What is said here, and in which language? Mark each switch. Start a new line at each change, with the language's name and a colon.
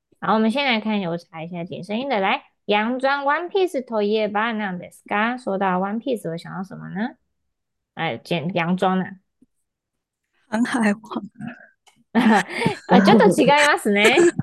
Chinese: 好，我们先来看，我查一下紧身衣的。来，洋装
Japanese: One Piece といえば何ですか？
Chinese: 说到 One Piece，我想到什么呢？哎，简洋装呢、航海啊？王，
Japanese: 啊，ちょっと違いますね。